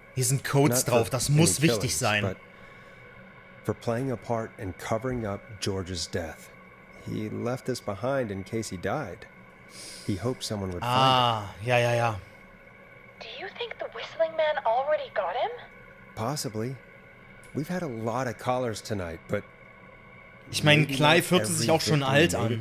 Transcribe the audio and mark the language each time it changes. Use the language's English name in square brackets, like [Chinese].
[German] Hier sind Codes drauf, das muss wichtig sein. [English] For playing a part in covering up George's death. He left this behind in case he died. He hoped someone would find it. [German] Ah, ja. [English] Do you think the whistling man already got him? Possibly. We've had a lot of callers tonight, but [German] ich meine, Clive hörte sich auch schon alt an.